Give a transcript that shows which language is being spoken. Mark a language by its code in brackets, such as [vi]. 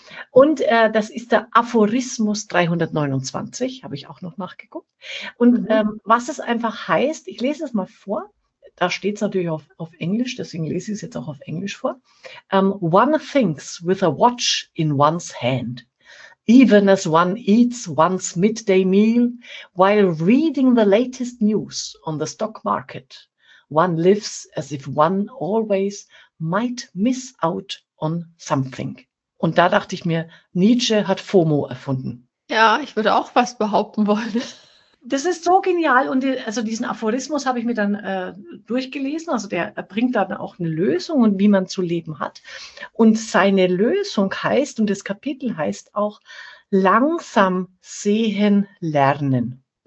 [de] Und das ist der Aphorismus 329, habe ich auch noch nachgeguckt. Und was es einfach heißt, ich lese es mal vor. Da steht es natürlich auf Englisch, deswegen lese ich es jetzt auch auf Englisch vor. [en] One thinks with a watch in one's hand. Even as one eats one's midday meal while reading the latest news on the stock market, one lives as if one always might miss out on something. [de] Und da dachte ich mir, Nietzsche hat FOMO erfunden. Ja, ich würde auch was behaupten wollen. Das ist so genial. Und also diesen Aphorismus habe ich mir dann durchgelesen. Also der bringt dann auch eine Lösung und wie man zu leben hat. Und seine Lösung heißt, und das Kapitel heißt auch, langsam sehen lernen.